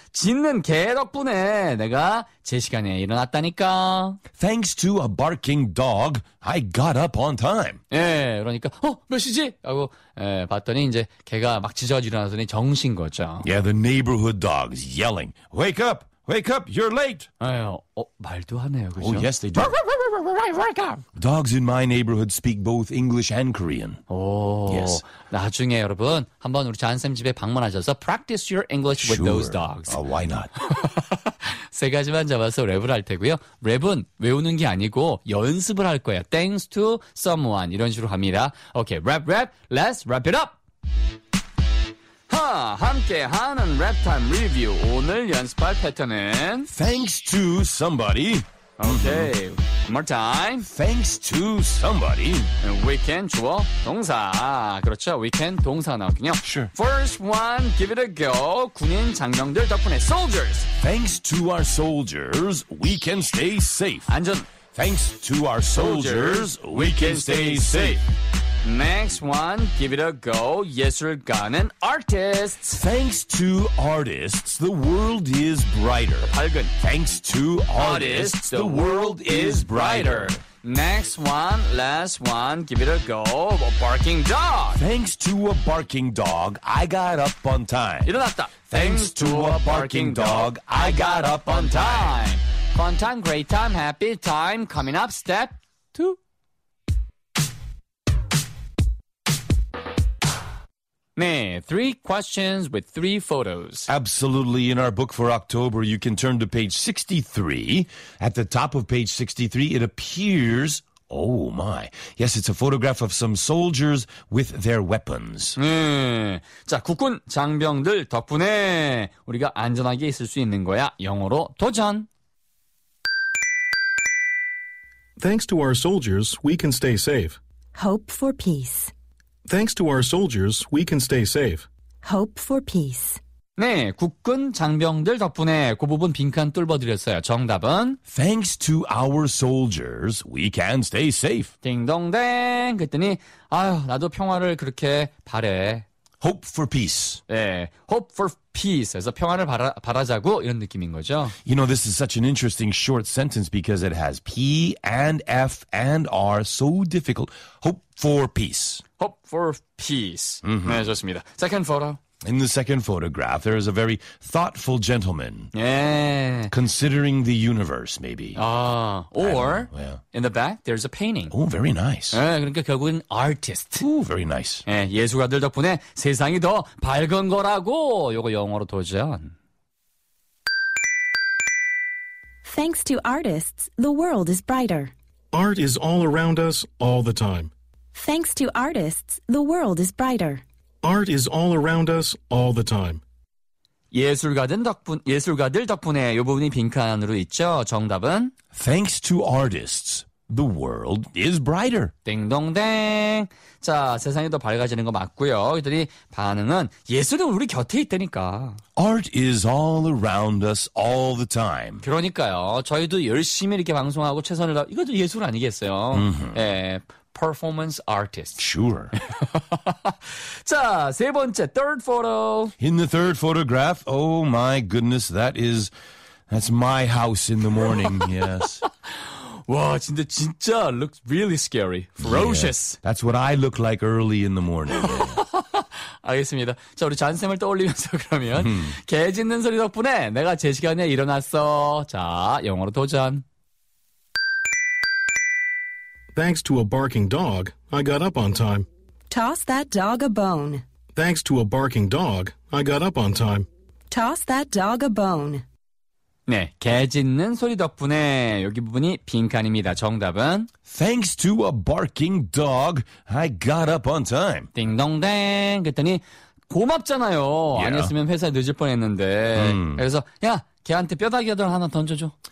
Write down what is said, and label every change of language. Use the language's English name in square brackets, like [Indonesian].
[Korean] 짖는 개 덕분에 내가 제시간에 일어났다니까. [English] Thanks to a barking dog, I got up on time. [Korean] 예, 그러니까 몇 시지? 하고 봤더니 이제 개가 막 지저지 일어나더니 정신 거죠. [English] Yeah, the neighborhood dogs yelling. Wake up! Wake up! You're late! [Korean] 아유, 말도 하네요, 그죠? [English] Oh, yes, they do. Dogs in my neighborhood speak both English and Korean. Oh, yes. [Korean] 나중에 여러분 한번 우리 잔쌤 집에 방문하셔서 [English] practice your English with those dogs. Why not? [Korean] 세 가지만 잡아서 랩을 할 테고요. 랩은 외우는 게 아니고 연습을 할 거예요. [English] Thanks to someone [Korean] 이런 식으로 합니다. [English] Okay, rap, rap. Let's wrap it up. [Korean] 함께하는 랩 타임 리뷰. 오늘 연습할 패턴은 [English] thanks to somebody. Okay. One more time. Thanks to somebody. And we can 주어 동사. [Korean] 그렇죠. [English] We can [Korean] 동사 나왔군요. [English] Sure. First one, give it a go. [Korean] 군인 장병들 덕분에 soldiers. [English] Thanks to our soldiers, we can stay safe. [Korean] 안전. [English] Thanks to our soldiers, we can stay safe. Next one, give it a go. [Korean] 예술가는 artists. [English] Thanks to artists, the world is brighter. [Korean] 밝은. [English] Thanks to artists, the world is brighter. Next one, last one, give it a go. A barking dog. Thanks to a barking dog, I got up on time. [Korean] 일어났다. [English] Thanks to a barking dog, I got up on time. Fun time, great time, happy time. Coming up, step two. 네, three questions with three photos. Absolutely. In our book for October, you can turn to page 63. At the top of page 63, it appears... Oh, my. Yes, it's a photograph of some soldiers with their weapons. [Korean] 네. 자, 국군 장병들 덕분에 우리가 안전하게 있을 수 있는 거야. 영어로 도전! [English] Thanks to our soldiers, we can stay safe. Hope for peace. Thanks to our soldiers, we can stay safe. Hope for peace. [Korean] 네, 국군 장병들 덕분에 그 부분 빈칸 뚫어드렸어요. 정답은 [English] Thanks to our soldiers, we can stay safe. [Korean] 딩동댕! 그랬더니 아유, 나도 평화를 그렇게 바래. [English] Hope for peace. 네, hope for peace. [Korean] 그래서 평화를 바라자고 이런 느낌인 거죠. [English] You know, this is such an interesting short sentence because it has P and F and R so difficult. Hope for peace. Hope for peace. Mm-hmm. [Korean] 네, 좋습니다. [English] Second photo. In the second photograph, there is a very thoughtful gentleman. Yeah. Considering the universe, maybe. Or yeah. In the back, there's a painting. Oh, very nice. [Korean] Yeah, 그러니까 결국은 artist. [English] Oh, very nice. [Korean] Yeah, 예술가들 덕분에 세상이 더 밝은 거라고. 요거 영어로 도전. [English] Thanks to artists, the world is brighter. Art is all around us all the time. Thanks to artists, the world is brighter. Art is all around us all the time. [Korean] 예술가들 덕분에 이 부분이 빈칸으로 있죠. 정답은 [English] Thanks to artists, the world is brighter. [Korean] 띵동댕. 자, 세상이 더 밝아지는 거 맞고요. 이들이 반응은 예술은 우리 곁에 있다니까. [English] Art is all around us all the time. [Korean] 그러니까요. 저희도 열심히 이렇게 방송하고 최선을 다. 이것도 예술 아니겠어요? Mm-hmm. [English] 예. Performance artist. Sure. [Korean] 자, 세 번째, [English] third photo. In the third photograph, oh my goodness, that's my house in the morning, yes. [Korean] 와, 진짜 [English] looks really scary. Ferocious. Yeah, that's what I look like early in the morning. [Korean] 알겠습니다. 자, 우리 잔쌤을 떠올리면서 그러면 개 짖는 소리 덕분에 내가 제 시간에 일어났어. 자, 영어로 도전. [English] Thanks to a barking dog, I got up on time. Toss that dog a bone. Thanks to a barking dog, I got up on time. Toss that dog a bone. [Korean] 네, 개 짖는 소리 덕분에 여기 부분이 빈칸입니다. 정답은 [English] Thanks to a barking dog, I got up on time. [Korean] 띵동댕. 그랬더니 고맙잖아요. Yeah. 안 했으면 회사에 늦을 뻔했는데. 그래서 야, 개한테 뼈다귀들 하나 던져줘.